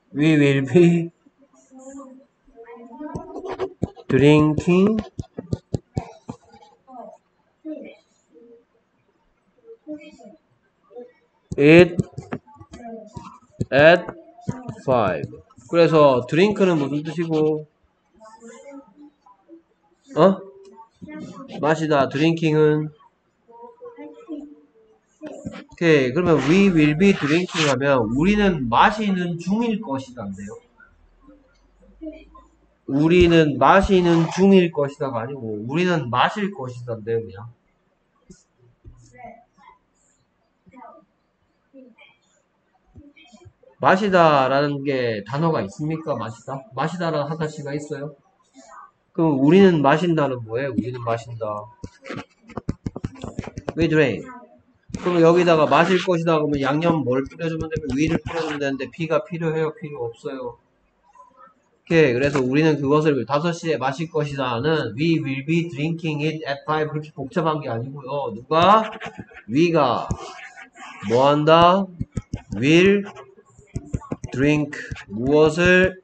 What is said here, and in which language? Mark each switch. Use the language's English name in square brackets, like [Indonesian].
[English] We will be drinking it at 5. [Korean] 그래서 drink는 무슨 뜻이고? 어? 마시다. drinking은? 오케이 그러면 [English] we will be drinking [Korean] 하면 우리는 마시는 중일 것이란데요 우리는 마시는 중일 것이다가 아니고 우리는 마실 것이다인데요, 그냥. 마시다라는 게 단어가 있습니까? 마시다? 마시다라는 하다시가 있어요? 그럼 우리는 마신다는 뭐예요? 우리는 마신다. [English] We drink. [Korean] 그럼 여기다가 마실 것이다 그러면 양념 뭘 뿌려주면 되고 위를 뿌려주면 되는데 비가 필요해요? 필요 없어요. 오케이. 그래서 우리는 그것을 5시에 마실 것이다는 [English] We will be drinking it at 5. [Korean] 그렇게 복잡한 게 아니고요. 누가? We가 뭐 한다? [English] Will drink [Korean] 무엇을?